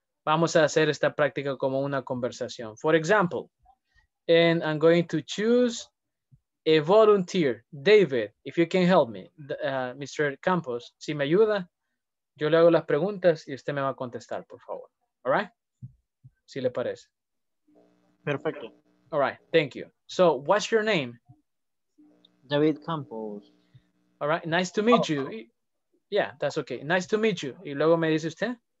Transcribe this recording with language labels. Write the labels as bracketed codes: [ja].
[es] Vamos a hacer esta práctica como una conversación. [en] For example, and I'm going to choose a volunteer, David, if you can help me, Mr. [es] Campos, si me ayuda, yo le hago las preguntas y usted me va a contestar, por favor. All right? Si le parece. Perfecto. [en] All right, thank you. So, what's your name? David Campos. All right, nice to meet you. Yeah, that's okay. Nice to meet you. [es] Y luego me dice usted.